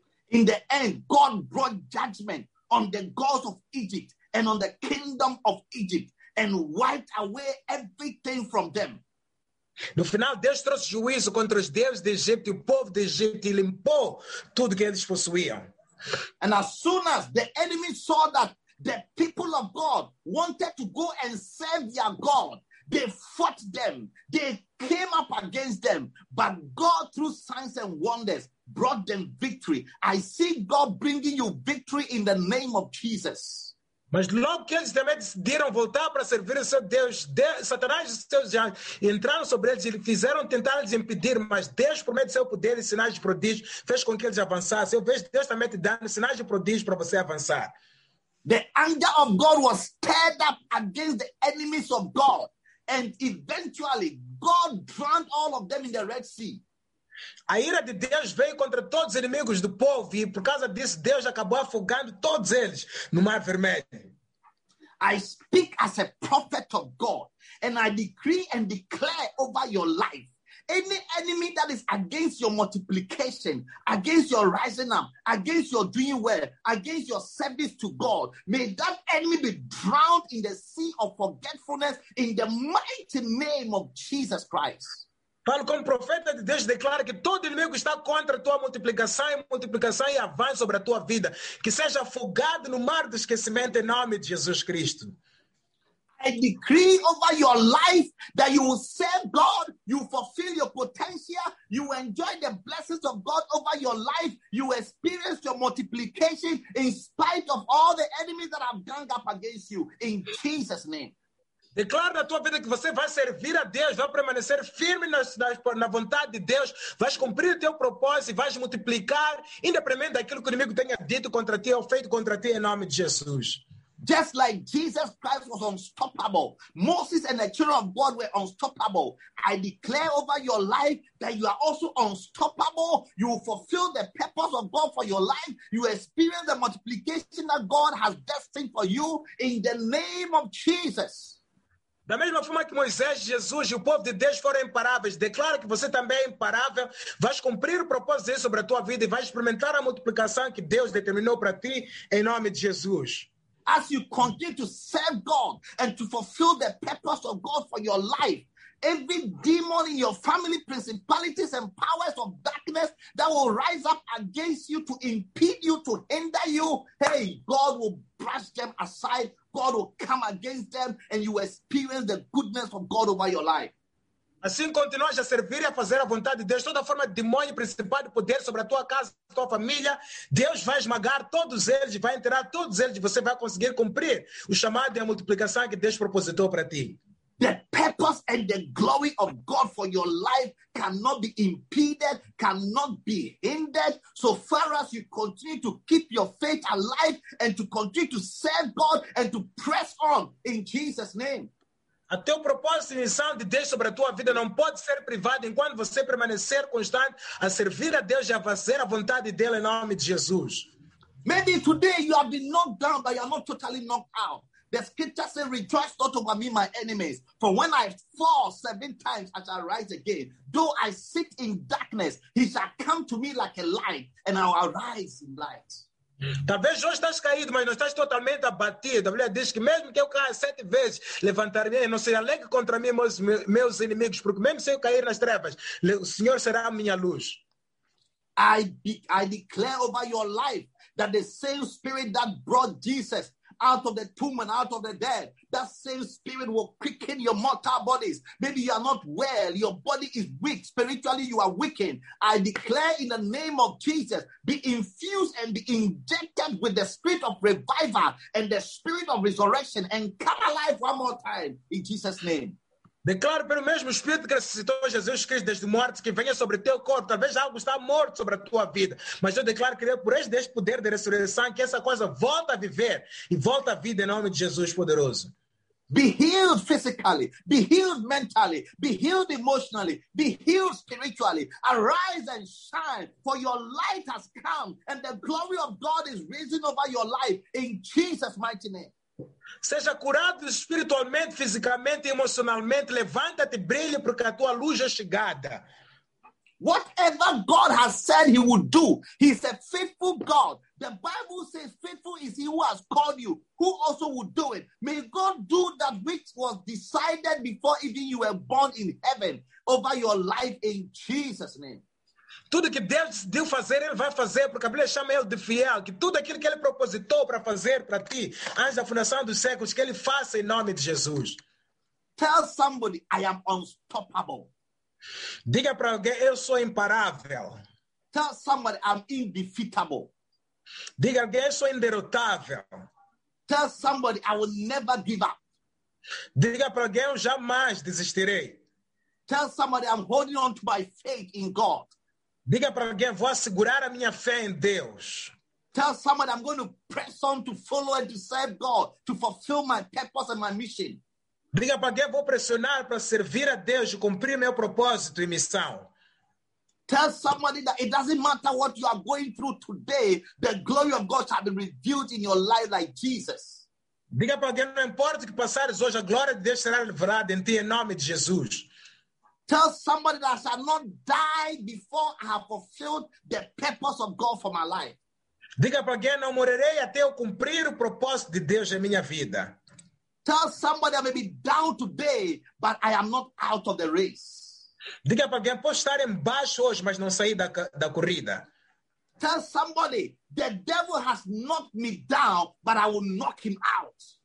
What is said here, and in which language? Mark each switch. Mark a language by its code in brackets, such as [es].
[en] In the end, God brought judgment on the gods of Egypt and on the kingdom of Egypt and wiped away everything from them. [pt] No final, Deus trouxe juízo contra os deuses de Egito e o povo de Egito e limpou tudo que eles possuíam. [en] And as soon as the enemy saw that the people of God wanted to go and serve their God, they fought them, they came up against them, but God, through signs and wonders, brought them victory. I see God bringing you victory in the name of Jesus. [pt] Mas logo que eles também decidiram voltar para servir o seu Deus, Satanás e seus já entraram sobre eles e fizeram tentar lhes impedir, mas Deus, por meio do seu poder e sinais de prodígio, fez com que eles avançassem. Eu vejo Deus também te dando sinais de prodígio para você avançar. [en] The anger of God was stirred up against the enemies of God, and eventually God drowned all of them in the Red Sea. [pt] A ira de Deus veio contra todos os inimigos do povo e por causa disso Deus acabou afogando todos eles no Mar Vermelho. [en] I speak as a prophet of God and I decree and declare over your life any enemy that is against your multiplication, against your rising up, against your doing well, against your service to God, may that enemy be drowned in the sea of forgetfulness in the mighty name of Jesus Christ. [pt] Paulo, como profeta de Deus, declara que todo inimigo está contra a tua multiplicação e avanço sobre a tua vida. Que seja afogado no mar do esquecimento em nome de Jesus Cristo. [en] I decree over your life that you will serve God, you fulfill your potential, you enjoy the blessings of God over your life, you experience your multiplication in spite of all the enemies that have gang up against you in Jesus' name. [pt] Declara na tua vida que você vai servir a Deus, vai permanecer firme na vontade de Deus, vais cumprir o teu propósito e vais multiplicar, independente daquilo que o inimigo tenha dito contra ti ou feito contra ti em nome de Jesus. [en] Just like Jesus Christ was unstoppable, Moses and the children of God were unstoppable. I declare over your life that you are also unstoppable. You will fulfill the purpose of God for your life. You experience the multiplication that God has destined for you in the name of Jesus. [pt] Da mesma forma que Moisés, Jesus e o povo de Deus foram imparáveis, declaro que você também é imparável, vais cumprir o propósito de Deus sobre a tua vida e vais experimentar a multiplicação que Deus determinou para ti em nome de Jesus. [en] As you continue to serve God and to fulfill the purpose of God for your life, every demon in your family, principalities and powers of darkness that will rise up against you to impede you, to hinder you, hey, God will brush them aside. God will come against them and you experience the goodness of God over your life. [pt] Assim continuas a servir e a fazer a vontade de Deus, toda forma de demônio, principal de poder sobre a tua casa, tua família, Deus vai esmagar todos eles, vai enterrar todos eles e você vai conseguir cumprir o chamado e a multiplicação que Deus propositou para ti. [en] The purpose and the glory of God for your life cannot be impeded, cannot be hindered, so far as you continue to keep your faith alive and to continue to serve God and to press on in Jesus' name. [pt] Até o propósito e missão de Deus sobre a tua vida não pode ser privado enquanto você permanecer constante a servir a Deus e a fazer a vontade dele em nome de Jesus. [en] Maybe today you have been knocked down, but you are not totally knocked out. The scripture says, rejoice not over me, my enemies. For when I fall 7 times, I shall rise again. Though I sit in darkness, he shall come to me like a light, and I will arise in light. [pt] Talvez hoje estás caído, mas não estás totalmente abatido. A Bíblia diz que mesmo que eu caia 7 vezes, levantar-me e não se alegre contra mim meus inimigos, porque mesmo se eu cair nas trevas, o Senhor será a minha luz. [en] I declare over your life that the same spirit that brought Jesus out of the tomb and out of the dead, that same spirit will quicken your mortal bodies. Maybe you are not well, your body is weak, spiritually you are weakened. I declare in the name of Jesus, be infused and be injected with the spirit of revival and the spirit of resurrection and come alive one more time in Jesus' name. [pt] Declaro pelo mesmo Espírito que ressuscitou Jesus Cristo desde morte, que venha sobre teu corpo. Talvez algo está morto sobre a tua vida. Mas eu declaro que por este poder de ressurreição, que essa coisa volta a viver e volta à vida em nome de Jesus poderoso. [en] Be healed physically, be healed mentally, be healed emotionally, be healed spiritually. Arise and shine, for your light has come and the glory of God is risen over your life in Jesus' mighty name. [pt] Seja curado espiritualmente, fisicamente e emocionalmente. Levanta-te, brilhe, porque a tua luz é chegada. [en] Whatever God has said he would do, he is a faithful God. The Bible says faithful is he who has called you, who also will do it. May God do that which was decided before even you were born in heaven over your life in Jesus' name. [pt] Tudo que Deus decidiu fazer, Ele vai fazer, porque a Bíblia chama Ele de fiel, que tudo aquilo que Ele propositou para fazer para ti, antes da fundação dos séculos, que Ele faça em nome de Jesus. [en] Tell somebody, I am unstoppable. [pt] Diga para alguém, eu sou imparável. [en] Tell somebody, I'm indefeatable. [pt] Diga para alguém, eu sou inderrotável. [en] Tell somebody, I will never give up. [pt] Diga para alguém, eu jamais desistirei. [en] Tell somebody, I'm holding on to my faith in God. [pt] Diga para alguém, vou assegurar a minha fé em Deus. [en] Tell someone, I'm going to press on to follow and to serve God, to fulfill my purpose and my mission. [pt] Diga para alguém, vou pressionar para servir a Deus e cumprir meu propósito e missão. [en] Tell somebody that it doesn't matter what you are going through today, the glory of God shall be revealed in your life like Jesus. [pt] Diga para alguém, não importa o que passares hoje, a glória de Deus será revelada em ti em nome de Jesus. [en] Tell somebody that I shall not die before I have fulfilled the purpose of God for my life. [pt] Diga para alguém, não morrerei até eu cumprir o propósito de Deus em minha vida. [en] Tell somebody I may be down today, but I am not out of the race. [pt] Diga para alguém, posso estar embaixo hoje, mas não sair da corrida. [en] Tell somebody the devil has knocked me down, but I will knock him out.